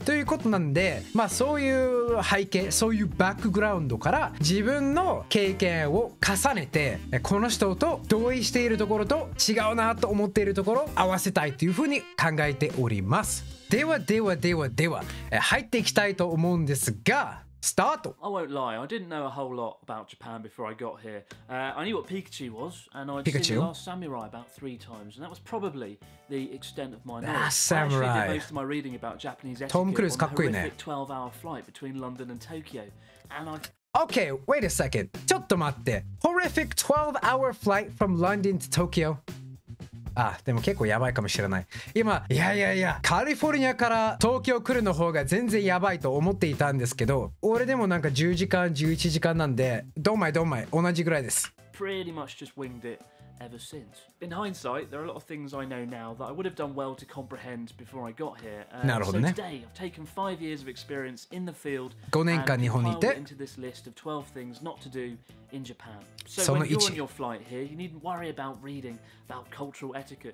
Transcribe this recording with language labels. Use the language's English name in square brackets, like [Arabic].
[Japanese] ということなんで、まあそういう背景、そういうバックグラウンドから自分の経験を重ねて、この人と同意しているところと違うなと思っているところを合わせたいというふうに考えております。ではではではでは入っていきたいと思うんですが、スタート。 [English] I won't lie, I didn't know a whole lot about Japan before I got here. I knew what Pikachu was, and I'd seen the last samurai about three times, and that was probably the extent of my knowledge. Ah, samurai. I actually did most of my reading about Japanese etiquette on a horrific 12-hour flight between London and Tokyo. And I... Okay, wait a second. [Japanese] ちょっと待って。 [English] Horrific 12-hour flight from London to Tokyo? [Japanese] あ、でも結構やばいかもしれない。今、いやいやいや、カリフォルニアから東京来るの方が全然やばいと思っていたんですけど、俺でもなんか10時間、11時間なんで、どんまいどんまい、同じぐらいです。 [English] Pretty much just winged it ever since. In hindsight, there are a lot of things I know now that I would have done well to comprehend before I got here. [Japanese] なるほどね。 [English] So today, I've taken 5 years of experience in the field [Japanese] 5年間日本にいて、 [English] and compiled into this list of 12 things not to do. In Japan. So when you're on your flight here, you needn't worry about reading about cultural etiquette.